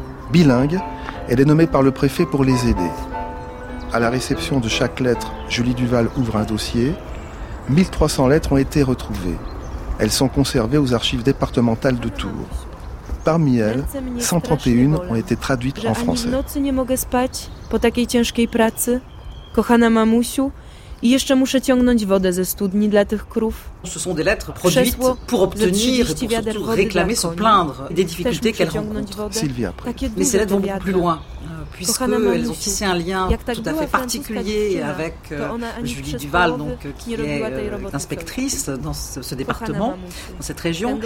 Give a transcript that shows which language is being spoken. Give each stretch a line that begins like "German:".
French: Bilingue, elle est nommée par le préfet pour les aider. À la réception de chaque lettre, Julie Duval ouvre un dossier. 1300 lettres ont été retrouvées. Elles sont conservées aux archives départementales de Tours. Parmi elles, 131 ont été traduites en français.
Polish: Ani w nocy nie mogę spać po takiej ciężkiej pracy, kochana mamusiu, i jeszcze muszę ciągnąć wodę ze studni dla tych krów.
French: Ce sont des lettres produites pour obtenir et pour surtout réclamer, se plaindre des difficultés qu'elle rencontre. Sylvia, mais ces lettres vont beaucoup plus loin, puisqu'elles ont tissé un lien tout à fait particulier avec Julie Duval, donc, qui est inspectrice dans ce département, dans cette région.